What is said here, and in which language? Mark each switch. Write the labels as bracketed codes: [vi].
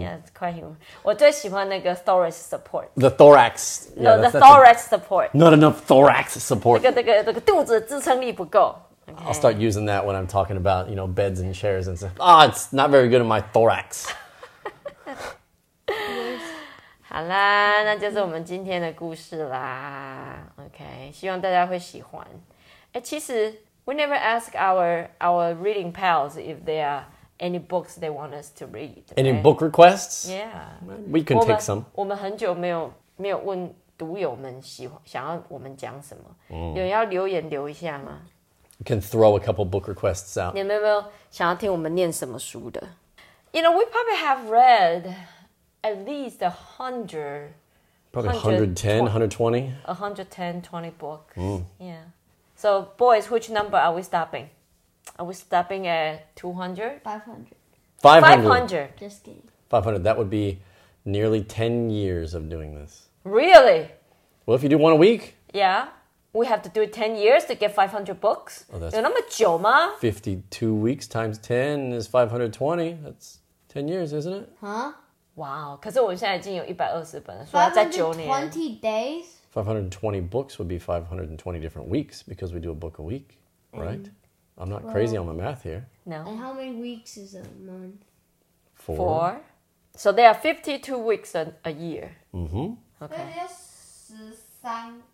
[en] Yeah, it's quite humor. [zh] 我最喜欢那个 [en] thorax support. The thorax. Yeah, no, the thorax support. Not enough thorax support. [zh] 那个肚子支撑力不够. [en] Okay. I'll start using that when I'm talking about, you know, beds and chairs and stuff. Oh, it's not very good in my thorax. [zh] 好啦，那就是我们今天的故事啦。 OK, 希望大家会喜欢。其实, [en] we never ask our reading pals if there are any books they want us to read. Any book requests? Yeah. We can take some. [zh] 我们很久没有问读友们想要我们讲什么。有要留言留一下吗? [en] You can throw a couple book requests out. [zh] 你有没有想要听我们念什么书的? [en] You know, we probably have read at least 100. Probably 110, 120. 110, 20 books. Mm. Yeah. So, boys, which number are we stopping? Are we stopping at 200? 500. 500. Just kidding. 500. That would be nearly 10 years of doing this. Really? Well, if you do one a week. Yeah. We have to do it 10 years to get 500 books. Oh, that's 52 weeks times 10 is 520. That's 10 years, isn't it? Huh? Wow. [zh] 可是我现在已经有120本了,所以要再9年。520 [en] days? 520 books would be 520 different weeks because we do a book a week, right? I'm not crazy on my math here. No. And how many weeks is a month? Four. So there are 52 weeks a year. Mm-hmm. Okay.